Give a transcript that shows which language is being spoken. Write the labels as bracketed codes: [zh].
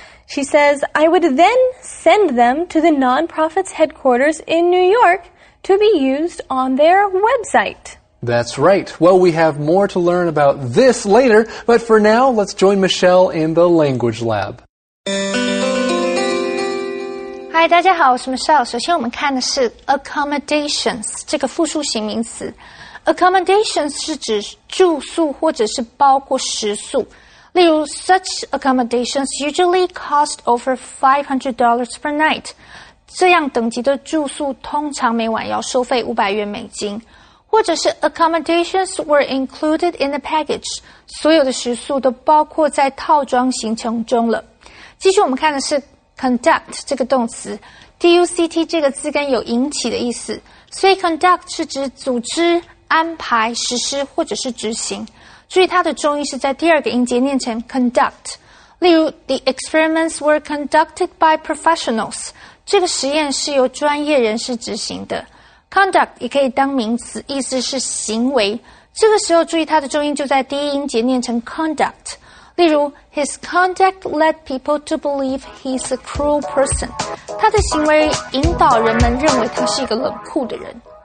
[en] She says, I would then send them to the nonprofit's headquarters in New York to be used on their website. That's right. Well, we have more to learn about this later, but for now, let's join Michelle in the language lab. [zh] Hi, 大家好，我是 Michelle。首先我们看的是 accommodations 这个复数型名词。 Accommodations 是指住宿或者是包括食宿。例如 [en] ,such accommodations usually cost over $500 per night. [zh] 这样等级的住宿通常每晚要收费500元美金。或者是 [en] accommodations were included in the package. [zh] 所有的食宿都包括在套装行程中了。继续我们看的是 conduct 这个动词。D-U-C-T 这个字根有引起的意思。所以 conduct 是指组织、安排、实施或者是执行。注意它的重音是在第二个音节念成 conduct。例如 [en] ,the experiments were conducted by professionals. [zh] 这个实验是由专业人士执行的。Conduct 也可以当名词，意思是行为。这个时候注意它的重音就在第一音节念成 conduct。例如 [en] ,his conduct led people to believe he's a cruel person. [zh] 他的行为引导人们认为他是一个冷酷的人。